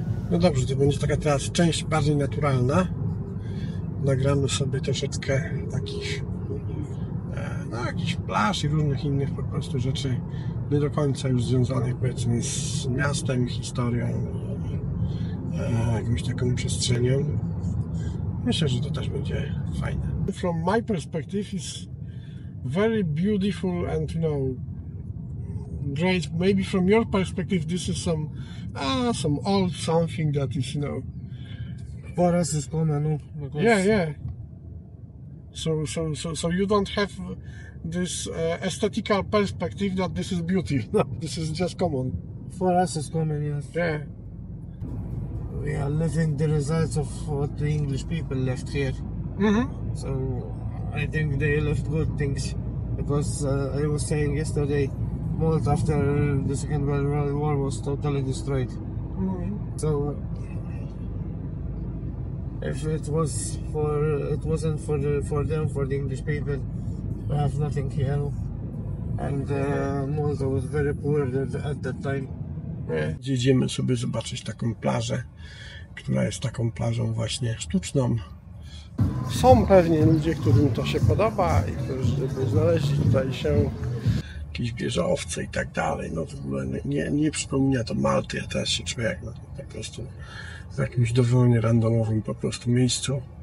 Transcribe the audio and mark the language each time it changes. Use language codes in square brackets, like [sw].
[pl] No dobrze, to będzie taka teraz część bardziej naturalna. Nagramy sobie troszeczkę takich, no jakichś plaż i różnych innych po prostu rzeczy, nie do końca już związanych, powiedzmy, z miastem, historią, jakąś taką przestrzenią. Myślę, że to też będzie fajne. [en] From my perspective is very beautiful and, you know, great. Maybe from your perspective this is some old something that is, you know. For us it's common, no? Because yeah. So you don't have this aesthetical perspective that this is beauty. No, this is just common. For us it's common, yes. Yeah. We are living the results of what the English people left here. So I think they left good things. Because I was saying yesterday, Malta after the Second World War was totally destroyed. So if it was for it wasn't for the, for them, for the English people, we have nothing here. And Malta was very poor at that time. [pl] Idziemy sobie zobaczyć taką plażę, która jest taką plażą właśnie sztuczną. Są pewnie ludzie, którym to się podoba i którzy by znaleźli tutaj się jakieś wieżowce i tak dalej. No w ogóle nie przypomina to Malty, ja teraz się czuję jak na, po prostu w jakimś dowolnie randomowym po prostu miejscu.